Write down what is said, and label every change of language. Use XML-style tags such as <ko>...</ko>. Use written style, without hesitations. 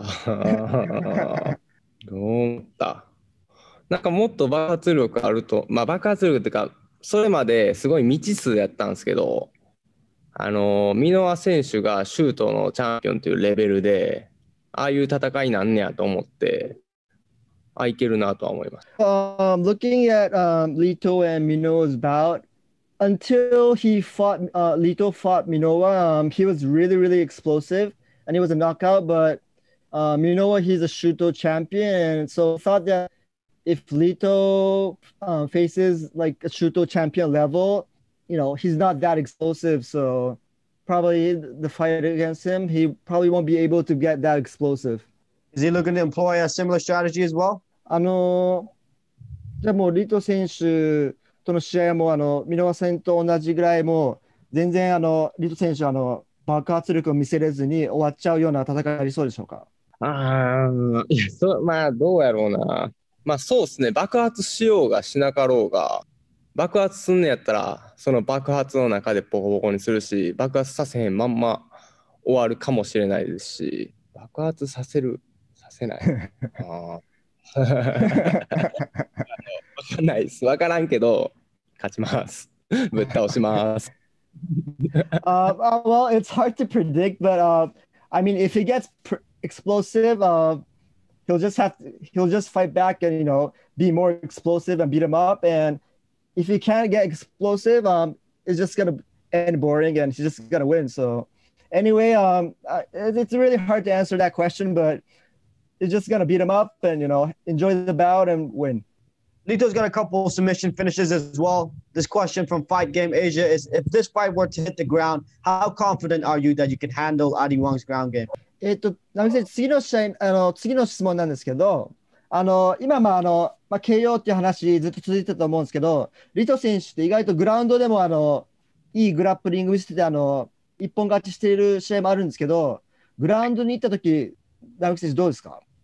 <ja>どう思った？なんかもっと爆発力あると、まあ爆発力というかそれまですごい未知数やったんですけど、ミノワ選手がシュートのチャンピオンというレベルで、ああいう戦いなんねやと思って、ああいけるなとは思います。</ja> <en>Looking at Lito and Minoa's bout, until he fought, Lito fought Minoa, he was really, really explosive, and it was a knockout, but Minoa, he's a Shuto champion, so I thought that if Lito faces like a Shuto champion level, you know, he's not that explosive, so probably the fight against him, he probably won't be able to get that explosive. Is he looking to employ a similar strategy as well?</en> <ja>でも、リト選手との試合も、ミノワ戦と同じぐらいも、全然、リト選手は、爆発力を見せれずに終わっちゃうような戦いありそうでしょうか？まあ、どうやろうな。まあ、そうですね。爆発しようがしなかろうが、爆発すんねやったら、その爆発の中でボコボコにするし、爆発させへんまんま終わるかもしれないですし、爆発させる、させない。わかんないです。わからんけど、勝ちます。ぶっ倒します。</ja> <en>well, it's hard to predict, but I mean, if he gets explosive, he'll just fight back and, you know, be more explosive and beat him up. And if he can't get explosive, it's just gonna end boring and he's just gonna win. So anyway, it's really hard to answer that question, but. He's just going to beat him up and, you know, enjoy the bout and win. Lito's got a couple submission finishes as well. This question from Fight Game Asia is, if this fight were to hit the ground, how confident are you that you can handle Adi Wong's ground game?</en> <ja>次の試合、次の質問なんですけど、今も KO っていう話ずっと続いてたと思うんですけど、Lito選手って意外とグラウンドでもいいグラップリング見せてて、一本勝ちしている試合もあるんですけど、グラウンドに行った時、ダウク選手どうですか？</ja>